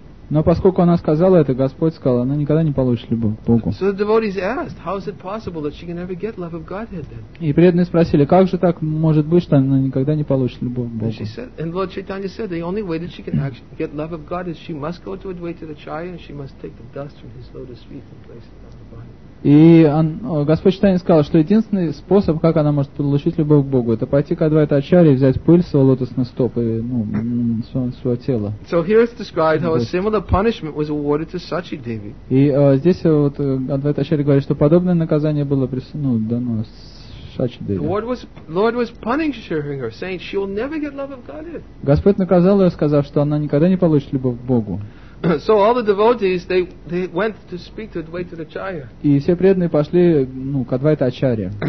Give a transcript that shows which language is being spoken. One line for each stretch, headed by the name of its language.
Russian: Но поскольку она сказала это, Господь сказал, она никогда не получит любовь к Богу. И преданные спросили, как же так может быть, что она никогда не получит любовь к Богу?
English: And Lord Chaitanya said, the only way that she can actually get love of God is she must go to Advaita Acharya and she must take the dust from his lotus feet and place it on the body.
Russian: И Господь Читания сказал, что единственный способ, как она может получить любовь к Богу, это пойти к Адвайта Ачарье и взять пыль с его лотосных стоп и, ну, своего тела.
English: So here it's described how a similar punishment was awarded to Sachi Devi.
Russian: И здесь вот Адвайта Ачарья говорит, что подобное наказание было дано Шачи Деви.
English: Lord was punishing her, saying she will never get love of God.
Russian: Господь наказал ее, сказав, что она никогда не получит любовь к Богу.
English: So all the devotees they went to speak to Advaita Acharya.
Russian: И все преданные пошли, ну, к Адвайта Ачарье.